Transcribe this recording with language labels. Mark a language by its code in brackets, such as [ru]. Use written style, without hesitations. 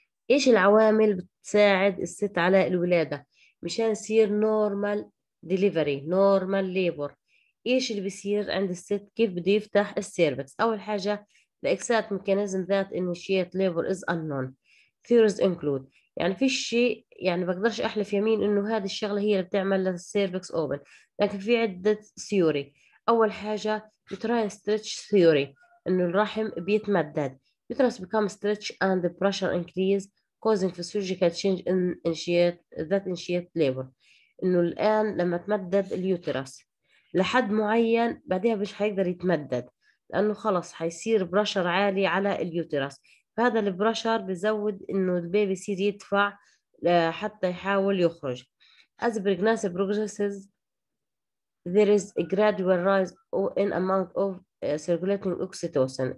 [ar] إيش العوامل بتساعد الست على الولادة مشان يصير نورمال [en] delivery normal labor؟ [ar] ايش اللي بيصير عند الست كيف بده يفتح السيرفكس؟ اول حاجه [en] the exact mechanism that initiate labor is unknown. theories include [ar] يعني في شيء يعني بقدرش احلف يمين انه هذه الشغله هي اللي بتعمل للسيرفكس اوبن، لكن في عده theory. اول حاجه [en] try stretch theory [ar] انه الرحم بيتمدد. [en] uterus become stretch and the pressure increase causing physiological change in initiate that initiate labor. [ar] انه الان لما تمدد اليوترس لحد معين بعدها مش حيقدر يتمدد لانه خلص حيصير براشر عالي على اليوترس، فهذا البراشر بزود انه البيبي يصير يدفع حتى يحاول يخرج. [en] As pregnancy progresses there is a gradual rise in amount of circulating oxytocin.